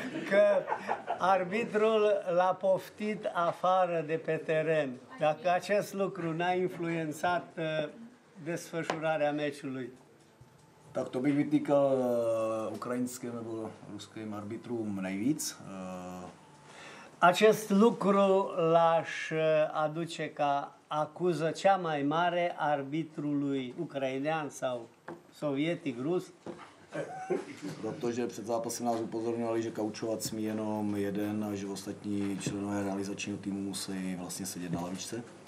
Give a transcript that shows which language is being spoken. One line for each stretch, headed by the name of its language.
Romanian: Că arbitrul l-a poftit afară de pe teren. Dacă acest lucru n-a influențat desfășurarea meciului.
Czech: Tak to bych vytýkal ukrajinským nebo ruským arbitrům nejvíc.
Romanian: Acest lucru l-aș aduce ca acuză cea mai mare arbitrului ucrainean sau sovietic rus.
Czech: Protože před zápasem nás upozorňovali, že kaučovat smí jenom jeden a že ostatní členové realizačního týmu musí vlastně sedět na lavičce.